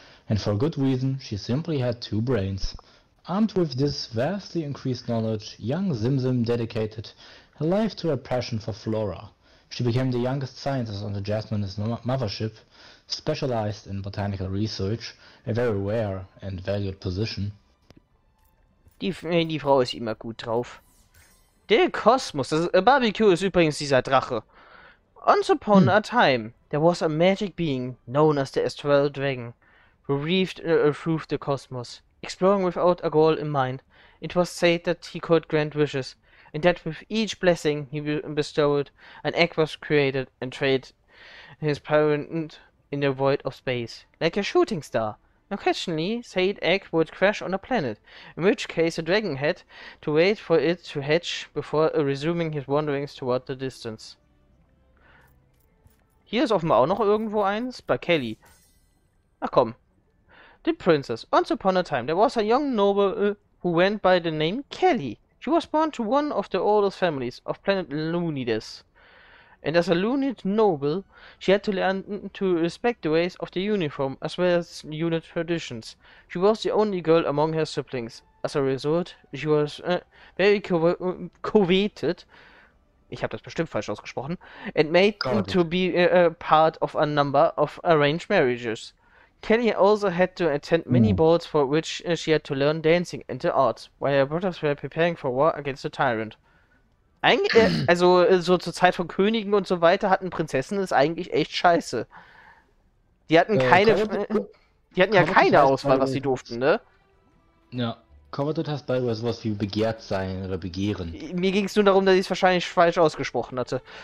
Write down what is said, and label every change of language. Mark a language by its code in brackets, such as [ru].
[en] And for good reason, she simply had two brains. Armed with this vastly increased knowledge, young Simsim dedicated her life to her passion for flora. She became the youngest scientist on the Jasminus mothership, specialized in botanical research, a very rare and valued position. [de] Die Frau ist immer gut drauf. Der Kosmos, das Barbecue ist übrigens dieser Drache. [en] Once upon a time, there was a magic being known as the Astral Dragon, who reaved through the cosmos, exploring without a goal in mind. It was said that he could grant wishes. And that with each blessing he bestowed, an egg was created and trailed his parent in the void of space, like a shooting star. Occasionally, said egg would crash on a planet, in which case the dragon had to wait for it to hatch before resuming his wanderings toward the distance. [de] Hier ist offenbar auch noch irgendwo eins, bei Kelly. Ach komm. [en] The princess. Once upon a time, there was a young noble who went by the name Kelly. She was born to one of the oldest families of planet Lunides. And as a Lunid noble, she had to learn to respect the ways of the uniform as well as Lunid traditions. She was the only girl among her siblings. As a result, she was very coveted, [de] ich habe das bestimmt falsch ausgesprochen, [en] and made to be a part of a number of arranged marriages. Kelly also had to attend many balls for which she had to learn dancing and the arts, while her brothers were preparing for war against the tyrant. [de] Eigentlich, also so zur Zeit von Königen und so weiter hatten Prinzessinnen es eigentlich echt scheiße. Die hatten keine, die hatten ja keine Auswahl, was sie durften, ne? Ja, coveted heißt bei sowas wie begehrt sein oder begehren. Mir ging es nur darum, dass ich es wahrscheinlich falsch ausgesprochen hatte.